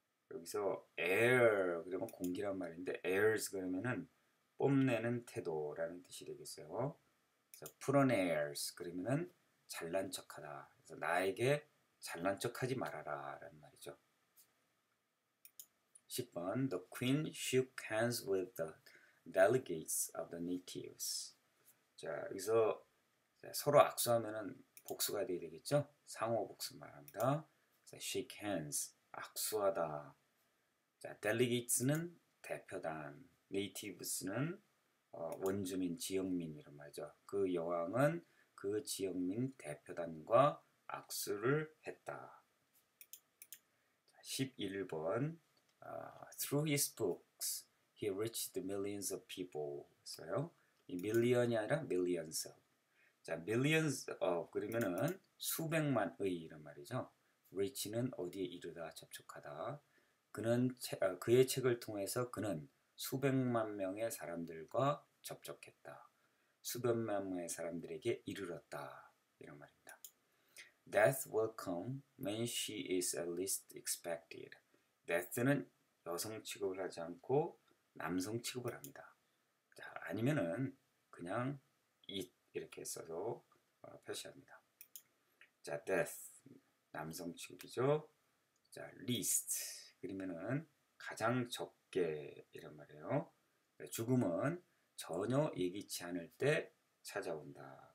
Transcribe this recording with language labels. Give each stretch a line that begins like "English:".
Korean: 여기서 air 그러면 공기란 말인데 airs 그러면은 뽐내는 태도라는 뜻이 되겠어요. 그래서 put on airs 그러면은 잘난 척하다. 그래서 나에게 잘난 척하지 말아라 라는 말이죠.
English: 10번 The Queen shook hands with the delegates of the natives.
Korean: 자, 여기서 서로 악수하면은 복수가 되어야 되겠죠? 상호 복수 말합니다. 자, shake hands 악수하다. 자, delegates는 대표단, natives는 원주민, 지역민 이런 말이죠. 그 여왕은 그 지역민 대표단과 악수를 했다.
English: 11번 Through his books, he reached millions of people.
Korean: 써요. 이 million이 아니라 millions of. 자, millions of 그러면은 수백만의 이런 말이죠. reach는 어디에 이르다, 접촉하다. 그는 그의 책을 통해서 그는 수백만 명의 사람들과 접촉했다. 수백만 명의 사람들에게 이르렀다. 이런 말입니다.
English: Death will come when she is at least expected.
Korean: Death는 여성 취급을 하지 않고 남성 취급을 합니다. 자, 아니면은 그냥 it 이렇게 써서 표시합니다. 자, death 남성 취급이죠. 자, least 그러면은 가장 적게 이런 말이에요. 죽음은 전혀 예기치 않을 때 찾아온다.